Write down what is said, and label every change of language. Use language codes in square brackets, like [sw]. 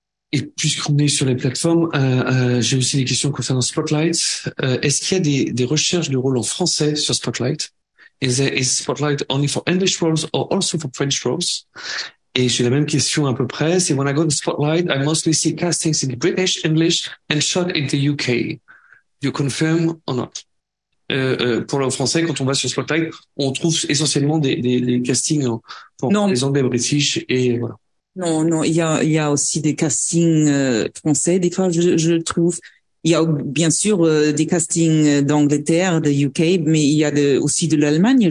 [fr] Et puisqu'on est sur les plateformes, j'ai aussi des questions concernant Spotlight. Est-ce qu'il y a des recherches de rôles en français sur Spotlight? [en] Is Spotlight only for English roles or also for French roles? [fr] Et j'ai la même question à peu près. C'est [en] when I go to Spotlight, I mostly see castings in British, English and shot in the UK. Do you confirm or not? [fr] Pour le français, quand on va sur Spotlight, on trouve essentiellement des castings pour les Anglais, British et voilà. Non, il y a aussi des castings français. Des fois, je trouve, il y a bien sûr des castings d'Angleterre, de UK, mais il y a aussi de l'Allemagne.